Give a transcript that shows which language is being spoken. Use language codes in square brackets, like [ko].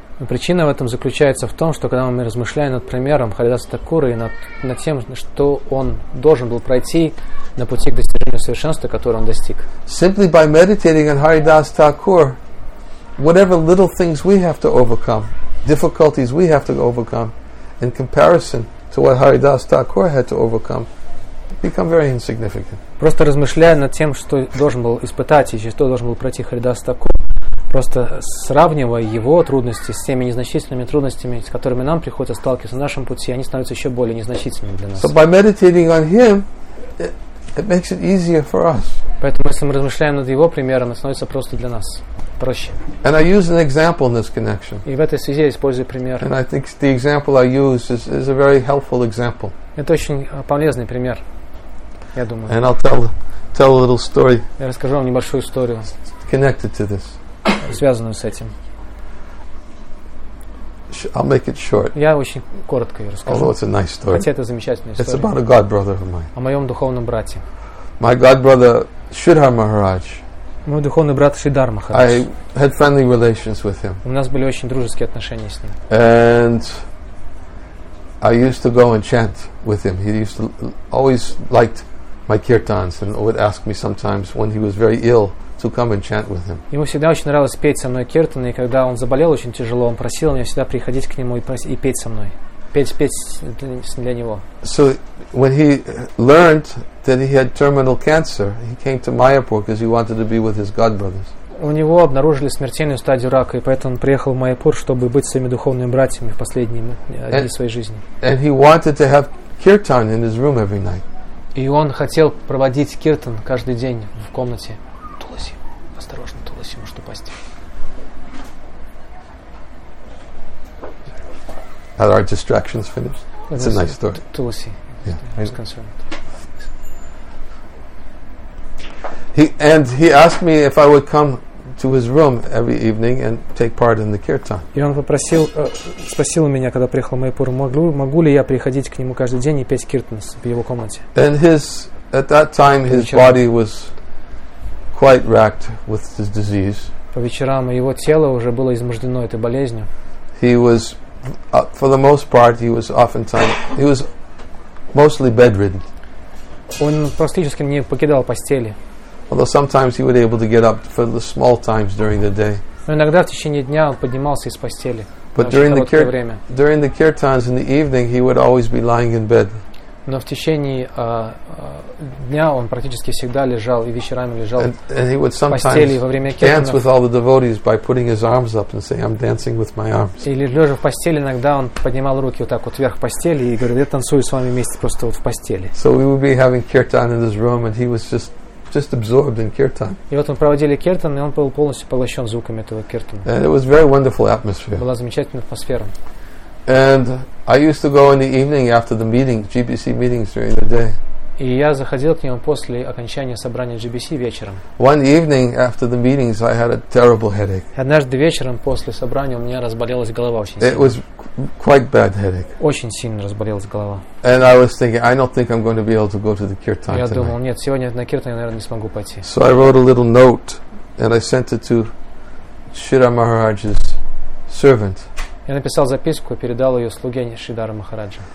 [ru] Причина в этом заключается в том, что когда мы размышляем над примером Харидаса Такура и над тем, что он должен был пройти на пути к достижению совершенства, которое он достиг. [en] Simply by meditating on Haridas Thakur, whatever little things we have to overcome, difficulties we have to overcome, in comparison to what Haridas Thakur had to overcome, become very insignificant. [ru] Просто размышляя над тем, что должен был испытать и через что должен был пройти Харидас Такур, просто сравнивая его трудности с теми незначительными трудностями, с которыми нам приходится сталкиваться на нашем пути, они становятся еще более незначительными для нас. [en] So by meditating on him, it makes it easier for us. [ru] Поэтому, если мы размышляем над его примером, это становится просто для нас проще. [en] And I use an example in this connection. [ru] И в этой связи я использую пример. [en] And I think the example I use is a very helpful example. [ru] Это очень полезный пример, я думаю. [en] And I'll tell a little story. [ru] Я расскажу вам небольшую историю. [en] Connected to this. [ru] Связанную с этим. [en] I'll make it short. [ru] Я очень коротко ее расскажу. [en] Although it's a nice story. [ru] Хотя это замечательная история. [en] It's about a god brother of mine. [ru] О моем духовном брате. [en] My god brother Shridhar Maharaj. [ru] Мой духовный брат Шридхар Махарадж. [en] I had friendly relations with him. [ru] У нас были очень дружеские отношения с ним. [en] And I used to go and chant with him. He used to always liked my kirtans and would ask me sometimes when he was very ill. To come and chant with him. [ru] Ему всегда очень нравилось петь со мной киртаны, и когда он заболел очень тяжело, он просил меня всегда приходить к нему и петь со мной, петь для него. [en] So when he learned that he had terminal cancer, he came to Mayapur because he wanted to be with his god brothers. [ru] У него обнаружили смертельную стадию рака, и поэтому он приехал в Майяпур, чтобы быть своими духовными братьями в последние дни своей жизни. [en] And he wanted to have kirtan in his room every night. [ru] И он хотел проводить киртан каждый день в комнате. Туласи. Осторожно, Туласи может упасть. [en] Are our distractions finished? It's a nice story. [ru] Туласи. [en] Yeah. He's concerned. He asked me if I would come to his room every evening and take part in the kirtan. [ru] И он попросил, спросил меня, когда приехал в Майяпур, могу ли я приходить к нему каждый день и петь киртан в его комнате. [en] And his at that time his body was quite racked with his disease. [ru] По вечерам его тело уже было измождено этой болезнью. [en] He was, for the most part, he was oftentimes, he was mostly bedridden. [ru] Он практически не покидал постели. [en] Although sometimes he was able to get up for the small times during the day. [ru] Но иногда в течение дня он поднимался из постели. [en] But during the kirtans in the evening, he would always be lying in bed. [ru] Но в течение дня он практически всегда лежал и вечерами лежал в постели во время киртанов. [en] Dance with all the devotees by putting his arms up and saying, "I'm dancing with my arms." [ru] Или лежа в постели, иногда он поднимал руки вот так вот вверх постели и говорил, "Я танцую с вами вместе просто вот в постели." [en] So we would be having kirtan in his room, and he was just just absorbed in kirtan. [ru] И вот мы проводили киртан, и он был полностью поглощен звуками этого киртана. [en] And it was very wonderful atmosphere. [ru] Была замечательная атмосфера. [en] And I used to go in the evening after the meeting, GBC meetings during the day. [ru] И я заходил к нему после окончания собрания GBC вечером. [en] One evening after the meetings, I had a terrible headache. [ru] Однажды вечером после собрания у меня разболелась голова очень сильно. [en] It was quite bad headache. [ru] Очень сильно разболелась голова. [en] And I was thinking, I don't think I'm going to be able to go to the kirtan tonight. [ru] Я думал, нет, сегодня на киртан я, наверное, не смогу пойти. [en] So I wrote a little note and I sent it to Shridhar Maharaj's servant. [ru] Я написал записку и передал ее слуге Шридхара Махараджа.